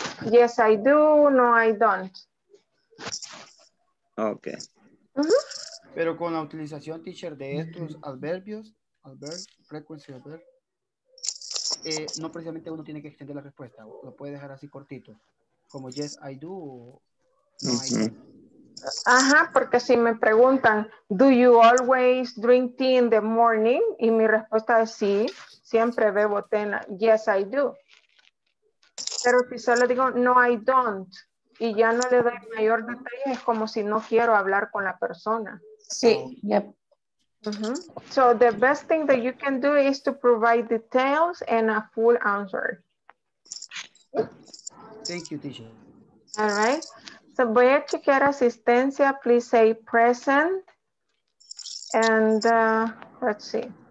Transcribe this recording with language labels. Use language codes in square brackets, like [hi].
[en] Yes, I do. No, I don't. Ok. Uh-huh. [es] Pero con la utilización, teacher, de estos adverbios, frequency adverb, no precisamente uno tiene que extender la respuesta, lo puede dejar así cortito. Como [en] yes, I do. No, I do. [es] Ajá, porque si me preguntan, [en] do you always drink tea in the morning? [es] Y mi respuesta es sí, siempre bebo té. [en] Yes, I do. [es] Pero si solo digo, no, [en] I don't. [es] Y ya no le doy mayor detalle, es como si no quiero hablar con la persona. Sí, yep. Uh-huh. [en] So the best thing that you can do is to provide details and a full answer. Thank you, teacher. All right. So [es] voy a chequear asistencia. [en] Please say present. And let's see.